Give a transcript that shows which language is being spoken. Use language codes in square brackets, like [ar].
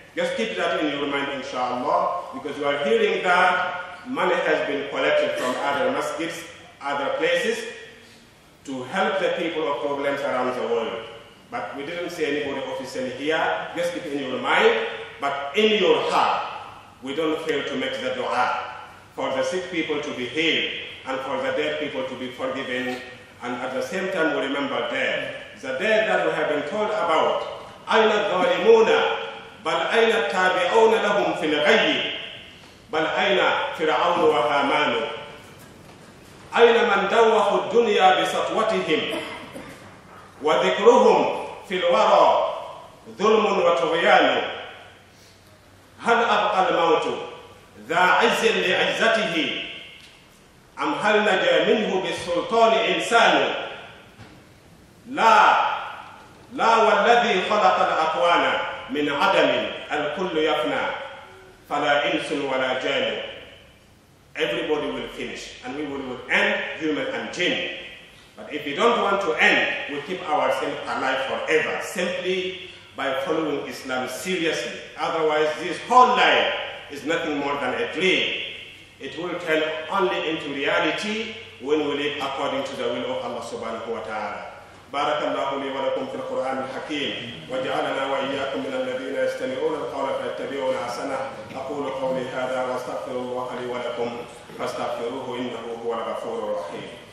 [en] Just keep that in your mind, inshallah, because you are hearing that money has been collected from other masjids, other places, to help the people of problems around the world. But we didn't see anybody officially here. Just keep it in your mind, but in your heart, we don't fail to make the dua for the sick people to be healed and for the dead people to be forgiven. And at the same time, we remember them. The dead that we have been told about, [ar] أَيْنَ الظَّالِمُونَ بَلْ أَيْنَ التَّابِعُونَ لَهُمْ فِي الْغَيِّ بَلْ أَيْنَ فِرْعَوْنُ وَهَامَانُ أَيْنَ مَنْ دَوَّخُ الدُّنْيَا بِسَطْوَتِهِمْ وَذِكْرُهُمْ فِي الْوَرَى ظُلْمٌ وَطُغْيَانُ هَلْ أَبْقَى الْمَوْتُ ذَا عِزٍّ لِعِزَّتِهِ أَمْ هَلْ نَجَا مِنْهُ بِالسُّلْطَانِ إِنْسَانُ لا والذي خلق الأكوان من عدم الكل يفنى فلا إنس ولا جان. [en] Everybody will finish and we will end, human and jinn. But if we don't want to end, we keep ourselves alive forever simply by following Islam seriously. Otherwise, this whole life is nothing more than a dream. It will turn only into reality when we live according to the will of Allah subhanahu wa ta'ala. [ar] بارك الله لي ولكم في القرآن الحكيم وجعلنا وإياكم من الذين يستمعون القول فيتبعون أحسنه أقول قولي هذا وأستغفر الله لي ولكم فاستغفروه إنه هو الغفور الرحيم.